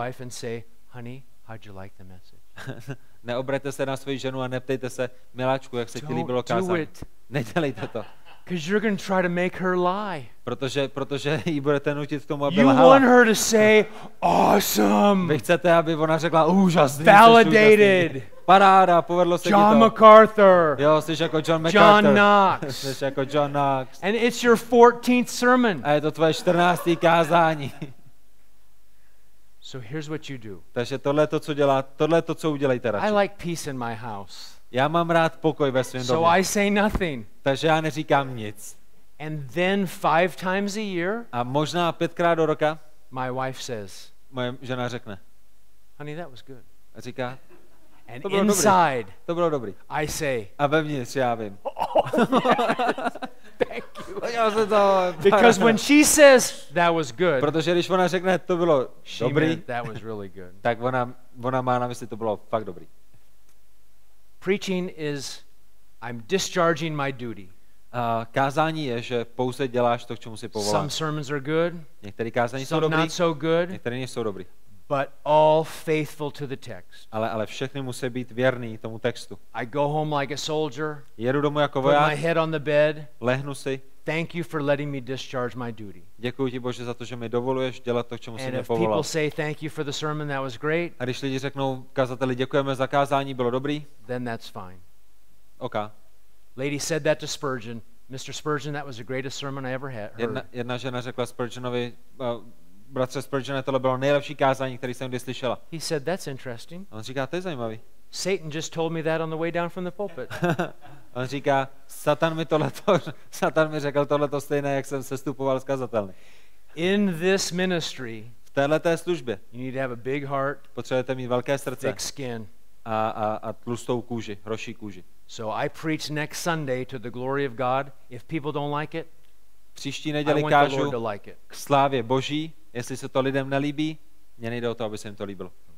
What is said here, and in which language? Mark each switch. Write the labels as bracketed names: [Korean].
[English] Wife and say, honey, how'd you like the message? [Czech] Neobraťte se na svou ženu a neptejte se, miláčku, jak se [English] don't [Czech] ti líbilo kázání. Nedělejte to. [English] Because you're going to try to make her lie. [Czech] Protože jí budete nutit k tomu, aby [English] you [Czech] lhala. [English] You want her to say awesome. [Czech] Vy chcete, aby ona řekla úžasný. [English] Validated. [Czech] Paráda, povedlo se [English] John [Czech] ti to. [English] MacArthur. [Czech] Jo, jsi jako John MacArthur. [English] John Knox. [Czech] Jsi jako John Knox. [English] And it's your 14th sermon. [Czech] A je to tvoje 14. kázání. [English] So here's what you do. [Czech] Takže tohle to, co dělá, tohle to, co udělejte radši. [English] I like peace in my house. [Czech] Já mám rád pokoj ve svém domě. [English] So I say nothing. [Czech] Takže já neříkám nic. [English] And then 5 times a year. [Czech] A možná 5krát do roka. [English] My wife says. [Czech] Moje žena řekne. [English] Honey, that was good. [Czech] A říká. [English] And inside. [Czech] To bylo dobrý. [English] I say. [Czech] A vevnitř já vím. [English] Oh, yes. Thank you. Because when she says that was good. [Czech] Protože když ona řekne, to bylo dobrý. [English] That was really good. [Czech] Tak ona má na mysli, to bylo fakt dobrý. [English] Preaching is I'm discharging my duty. [Czech] Kázání je, že pouze děláš to, k čemu jsi povolán. [English] Some sermons are good. [Czech] Některé kázání jsou dobré. [English] Some not so good. [Czech] Některé nejsou dobré. [English] But all faithful to the text. [Czech] Ale všechny musí být věrný tomu textu. [English] I go home like a soldier. [Czech] Jedu domů jako voják. [English] Put my head on the bed. [Czech] Lehnu si. [English] Thank you for letting me discharge my duty. [Czech] Děkuji ti, Bože, za to, že mi dovoluješ dělat to, k čemu jsi mě povolal. [English] And if people say thank you for the sermon, that was great. [Czech] A když lidi řeknou, kazateli, děkujeme za kázání, bylo dobrý. [English] Then that's fine. [Czech] Oka. [English] Lady said that to Spurgeon. Mr. Spurgeon, that was the greatest sermon I ever had. [Czech] Jedna žena řekla Spurgeonovi, bratře Spurgeon, tohle bylo nejlepší kázání, které jsem kdy slyšela. [English] He said that's interesting. [Czech] On říká, to je zajímavý. [English] Satan just told me that on the way down from the pulpit. [Czech] On říká, Satan mi řekl tohleto stejné, jak jsem sestupoval z kazatelny. [English] In this ministry, [Czech] v této službě, [English] you need to have a big heart, [Czech] potřebujete mít velké srdce, [English] thick skin, [Czech] a tlustou kůži, hroší kůži. [English] So I preach next Sunday to the glory of God. If people don't like it, [Czech] příští neděli kážu k slávě Boží. Jestli se to lidem nelíbí, mě nejde o to, aby se jim to líbilo.